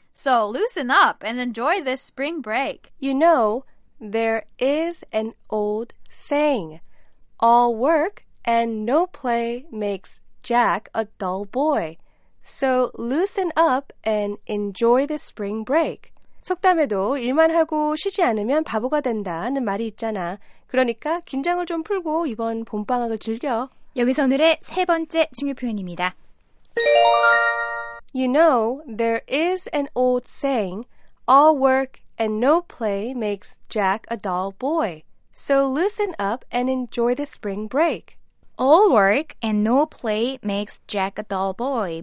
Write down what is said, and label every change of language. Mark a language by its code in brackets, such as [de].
[en] So loosen up and enjoy this spring break. You know there is an old saying, all work and no play makes Jack a dull boy. So loosen up and enjoy this spring break. [ko] 속담에도 일만 하고 쉬지 않으면 바보가 된다는 말이 있잖아. 그러니까 긴장을 좀 풀고 이번 봄방학을 즐겨. 여기서 오늘의 세 번째 중요 표현입니다. [en] You know, there is an old saying, all work and no play makes Jack a dull boy. So loosen up and enjoy the spring break. All work and no play makes Jack a dull boy.